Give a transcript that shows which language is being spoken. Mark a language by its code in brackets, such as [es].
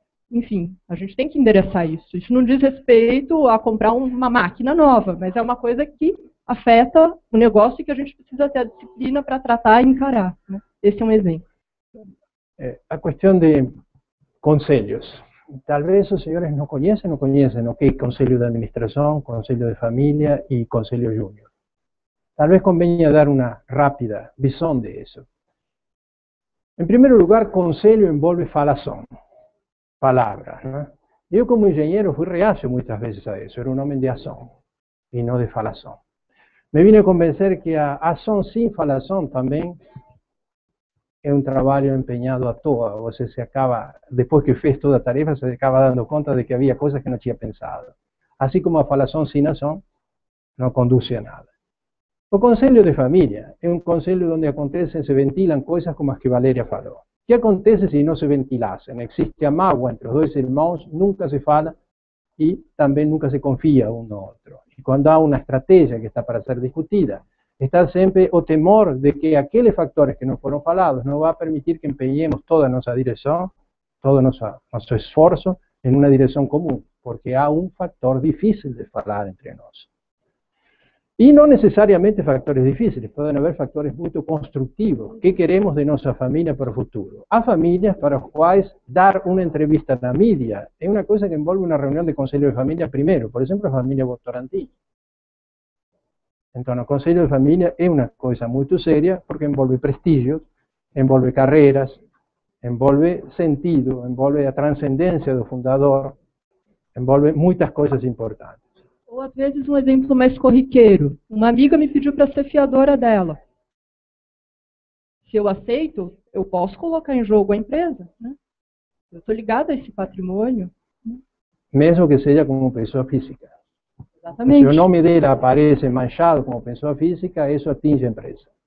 [pt] Enfim, a gente tem que endereçar isso. Isso não diz respeito a comprar uma máquina nova, mas é uma coisa que afeta o negócio e que a gente precisa ter a disciplina para tratar e encarar. Né? Esse é um exemplo. A questão de conselhos. Talvez os senhores não conhecem o que é conselho de administração, conselho de família e conselho júnior. [es] Tal vez convenga dar una rápida visión de eso. En primer lugar, consejo envuelve falación, palabra. ¿No? Yo como ingeniero fui reacio muchas veces a eso, era un hombre de acción y no de falación. Me vine a convencer que a acción sin falación también es un trabajo empeñado a toa. O sea, se acaba, después que fez toda la tarea, se acaba dando cuenta de que había cosas que no había pensado. Así como a falación sin acción no conduce a nada. [pt] O conselho de família é um conselho onde acontecem, se ventilam coisas como as que Valéria falou. O que acontece se não se ventilassem? Existe a mágoa entre os dois irmãos, nunca se fala e também nunca se confia um no outro. E quando há uma estratégia que está para ser discutida, está sempre o temor de que aqueles fatores que não foram falados não vão permitir que empenhemos toda a nossa direção, todo o nosso esforço em uma direção comum, porque há um fator difícil de falar entre nós. [es] Y no necesariamente factores difíciles, pueden haber factores muy constructivos. ¿Qué queremos de nuestra familia para el futuro? Hay familias para las cuales dar una entrevista en la media es una cosa que envuelve una reunión de consejo de familia primero, por ejemplo, la familia Votorantí. Entonces, el consejo de familia es una cosa muy seria porque envuelve prestigio, envuelve carreras, envuelve sentido, envuelve la trascendencia del fundador, envuelve muchas cosas importantes. [pt] Ou, às vezes, um exemplo mais corriqueiro. Uma amiga me pediu para ser fiadora dela. Se eu aceito, eu posso colocar em jogo a empresa. Né? Eu estou ligada a esse patrimônio. Né? Mesmo que seja como pessoa física. Exatamente. Se o nome dela aparece manchado como pessoa física, isso atinge a empresa.